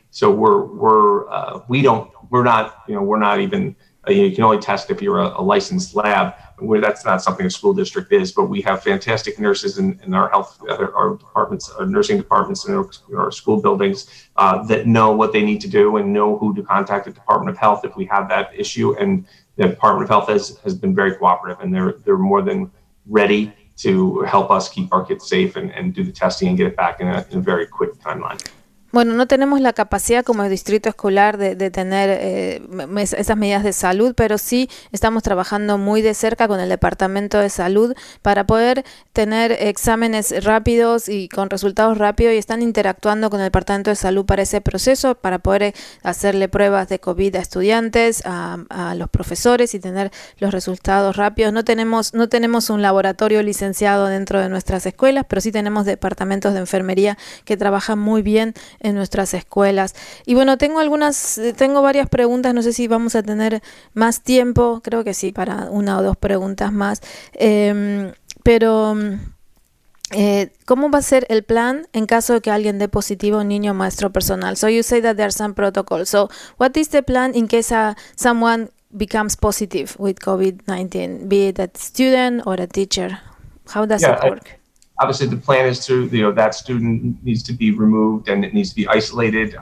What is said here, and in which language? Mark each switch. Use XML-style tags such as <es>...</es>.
<en>So we don't we're not, you know, we're not even you can only test if you're a licensed lab, where that's not something a school district is, but we have fantastic nurses in our health, our departments, our nursing departments in our school buildings that know what they need to do and know who to contact the Department of Health if we have that issue. And the Department of Health has been very cooperative, and they're more than ready to help us keep our kids safe and do the testing and get it back in a very quick timeline.</en> <es>Bueno, no tenemos la capacidad como distrito escolar de tener esas medidas de salud, pero sí estamos trabajando muy de cerca con el Departamento de Salud para poder tener exámenes rápidos y con resultados rápidos, y están interactuando con el Departamento de Salud para ese proceso, para poder hacerle pruebas de COVID a estudiantes, a los profesores y tener los resultados rápidos. No tenemos un laboratorio licenciado dentro de nuestras escuelas, pero sí tenemos departamentos de enfermería que trabajan muy bien en nuestras escuelas. Y bueno, tengo varias preguntas. No sé si vamos a tener más tiempo. Creo que sí, para una o dos preguntas más. ¿Cómo va a ser el plan en caso de que alguien dé positivo, niño, maestro, personal?</es> <en>So you say that there are some protocols. So what is the plan in case someone becomes positive with COVID-19, be it a student or a teacher? How does it work? Obviously, the plan is to, you know, that student needs to be removed and it needs to be isolated.</en>